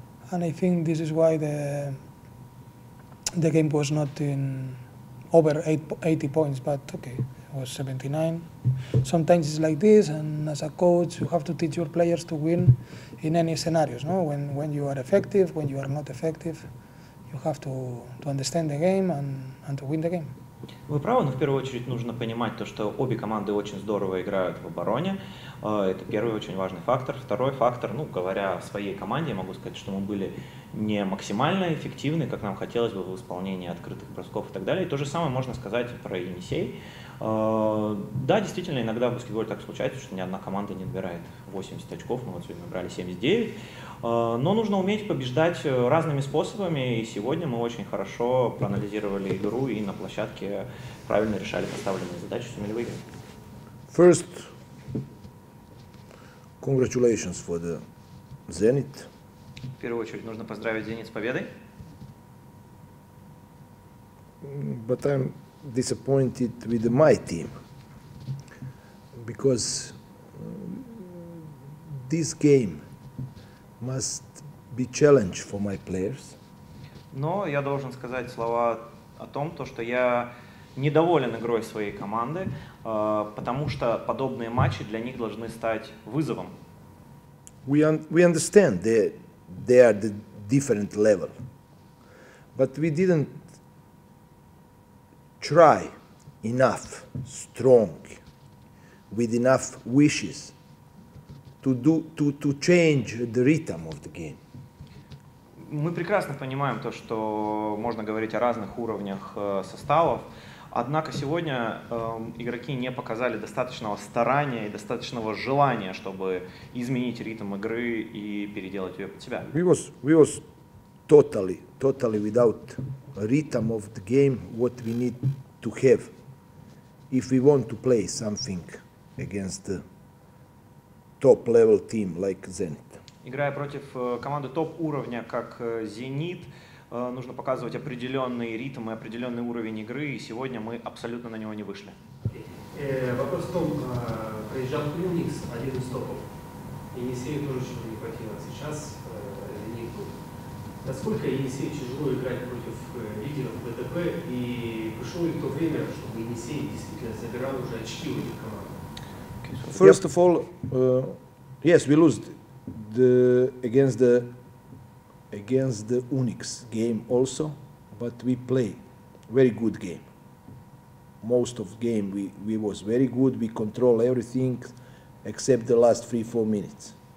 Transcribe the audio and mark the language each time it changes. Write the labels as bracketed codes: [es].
[en] And I think this is why the game was not in over 80 points, but okay, it was 79. Sometimes it's like this, and as a coach, you have to teach your players to win in any scenarios, no? When you are effective, when you are not effective, you have to understand the game and to win the game. [ru] Вы правы, но в первую очередь нужно понимать то, что обе команды очень здорово играют в обороне. Это первый очень важный фактор. Второй фактор, ну, говоря о своей команде, я могу сказать, что мы были не максимально эффективны, как нам хотелось бы в исполнении открытых бросков и так далее. И то же самое можно сказать про Енисей. Да, действительно, иногда в баскетболе так случается, что ни одна команда не набирает 80 очков. Мы вот сегодня набрали 79. Но нужно уметь побеждать разными способами, и сегодня мы очень хорошо проанализировали игру и на площадке правильно решали поставленные задачи, сумели выиграть. [en] First, congratulations for the Zenit. [ru] В первую очередь нужно поздравить Зенит с победой. [en] But I'm disappointed with my team, because this game must be challenge for my players. [ru] Но я должен сказать слова о том, то, что я недоволен игрой своей команды, потому что подобные матчи для них должны стать вызовом. [en] We understand they are the different level, but we didn't try enough strong with enough wishes to change the rhythm of the game. [ru] Мы прекрасно понимаем то, что можно говорить о разных уровнях составов. Однако сегодня игроки не показали достаточного старания и достаточного желания, чтобы изменить ритм игры и переделать ее под себя. [en] We was totally without rhythm of the game, what we need to have if we want to play something against the top-level team like Zenit. [ru] Играя против команды топ-уровня, как Зенит, нужно показывать определенный ритм и определенный уровень игры, и сегодня мы абсолютно на него не вышли. Вопрос в том, приезжал Куникс, один из топов, Енисею тоже чего-то не хватило, сейчас Зенит будет. Насколько Енисею тяжело играть против лидеров ВТБ, и пришло ли то время, чтобы Енисей действительно забирал уже очки у этих команд? [en] First of all, yes, we lost against the Unix game also, but we play very good game. most of the game we was very good. We control everything except the last 3-4 minutes.